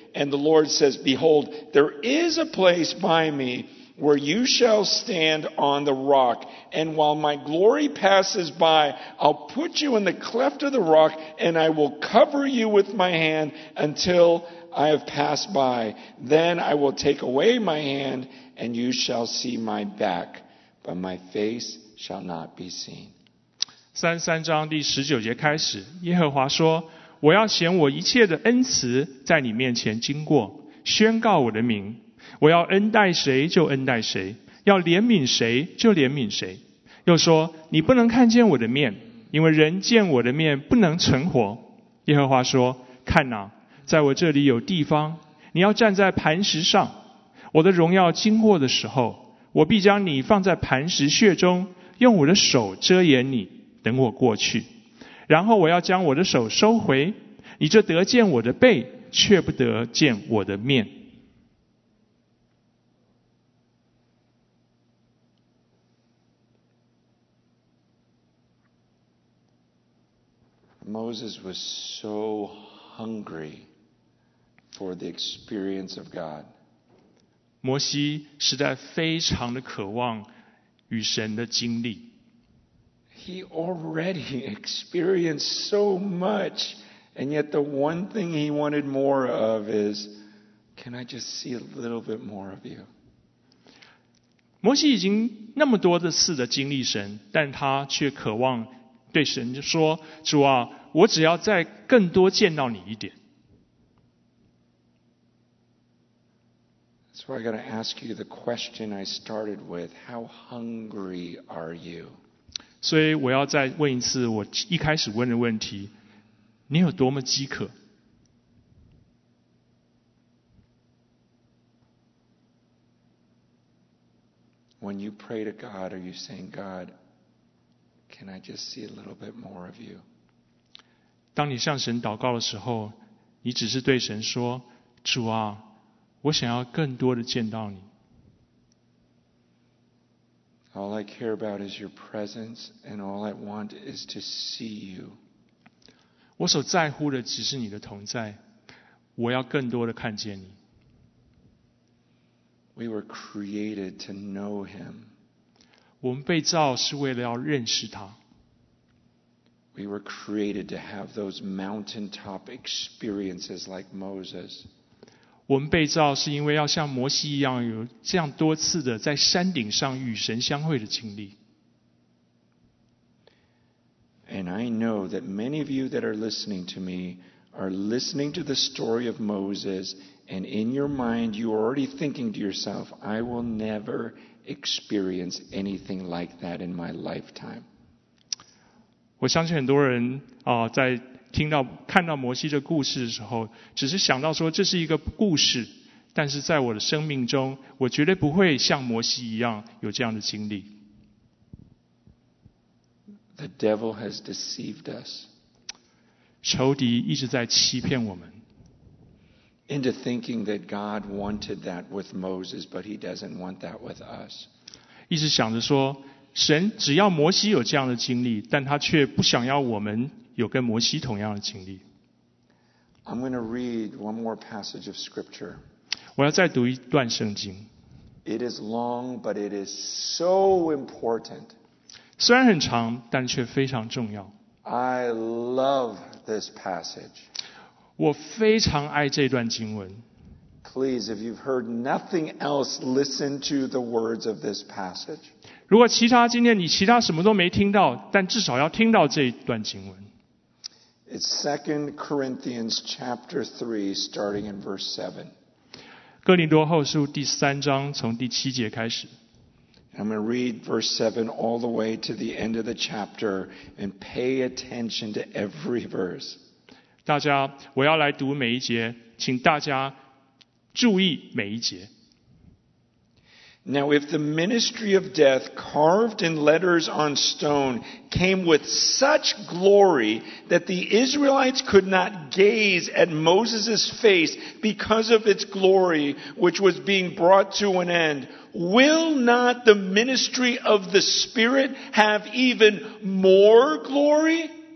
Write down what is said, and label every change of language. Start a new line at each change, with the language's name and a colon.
English: And the Lord says, behold, there is a place by me,where you shall stand on the rock, and while my glory passes by, I'll put you in the cleft of the rock, and I will cover you with my hand until I have passed by. Then I will take away my hand, and you shall see my back, but my face shall not be seen.
Chinese: 33章第19节开始，耶和华说，我要显我一切的恩慈在你面前经过，宣告我的名。我要恩待谁就恩待谁，要怜悯谁就怜悯谁。又说，你不能看见我的面，因为人见我的面不能存活。耶和华说，看哪，在我这里有地方，你要站在磐石上。我的荣耀经过的时候，我必将你放在磐石穴中，用我的手遮掩你，等我过去。然后我要将我的手收回，你这得见我的背，却不得见我的面。
English: Moses was so hungry for the experience of God.
Chinese: 摩西实在非常的渴望与神的经历。
English: He already experienced so much, and yet the one thing he wanted more of is, can I just see a little bit more of you?
Chinese: 摩西已经那么多的次的经历神，但他却渴望对神就说，主啊，我只要再更多见到你一点。
English: So I got to ask you the question I started with. How hungry are you?
Chinese: 所以我要再问一次我一开始问的问题，你有多么饥渴？
English: When you pray to God, are you saying, God, can I just see a little bit more of you?
Chinese: 当你向神祷告的时候，你只是对神说，主啊，我想要更多的见到你。
English: All I care about is your presence, and all I want is to see you.
Chinese: 我所在乎的只是你的同在，我要更多的看见你。
English: We were created to know him.
Chinese: 我们被造是为了要认识他。
English: We were created to have those mountaintop experiences like Moses.
Chinese: 我们被造是因为要像摩西一样有这样多次的在山顶上与神相会的经历。
English: And I know that many of you that are listening to me are listening to the story of Moses. And in your mind, you're already thinking to yourself, I will never experience anything like that in my lifetime.
Chinese: 我相信很多人、在听到看到摩西的故事的时候，只是想到说这是一个故事，但是在我的生命中，我绝对不会像摩西一样有这样的经历。
English: The devil has deceived us.
Chinese: 仇敌一直在欺骗我们。
English: Into thinking that God wanted that with Moses, but he doesn't want that with us.
Chinese: 一直想着说，神只要摩西有这样的经历，但他却不想要我们有跟摩西同样的经历。
English: I'm going to read one more passage of scripture.
Chinese: 我要再读一段圣经。
English: It is long, but it is so important.
Chinese: 虽然很长，但却非常重要。
English: I love this passage.
Chinese: 我非常爱这段经文。
English: Please, if you've heard nothing else, listen to the words of this passage.
Chinese: 如果其他今天你其他什么都没听到，但至少要听到这段经文。
English: It's 2 Corinthians chapter 3, starting in verse 7.
Chinese: 哥林多后书第三章从第七节开始。
English: I'm going to read verse 7 all the way to the end of the chapter and pay attention to every verse.
Chinese: 大家，我要来读每一节，请大家注意每一节。
English: Now, if the ministry of death carved in letters on stone came with such glory that the Israelites could not gaze at Moses' face because of its glory, which was being brought to an end, will not the ministry of the Spirit have even more glory?